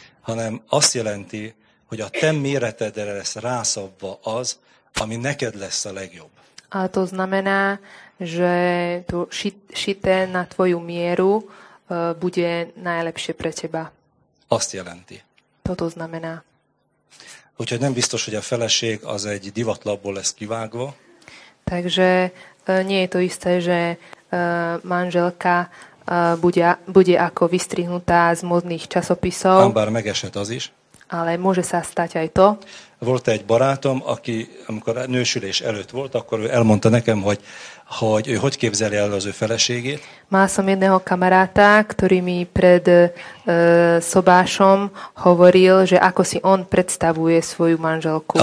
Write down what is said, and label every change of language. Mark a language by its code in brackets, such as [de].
[hu] Hanem azt jelenti, hogy a te méretedre lesz rászabva az, ami neked lesz a legjobb. [sk] A to znamená, že to šité na tvoju mieru bude najlepšie pre teba. [hu] Azt jelenti. [sk] Toto znamená. [hu] Úgyhogy nem biztos, hogy a feleség az egy divatlapból lesz kivágva. [sk] Takže nie je to isté, že manželka bude ako vystrihnutá z modných časopisov. [hu] Ám bár megesett az is. [sk] Ale môže sa stať aj to. [hu] Volt egy barátom, aki amikor nősülés előtt volt, akkor ő elmondta nekem, hogy ő hogy képzeli el az ő feleségét. [sk] Mal som jedného kamaráta, ktorý mi pred szobásom hovoril, že ako si on predstavuje svoju manželku.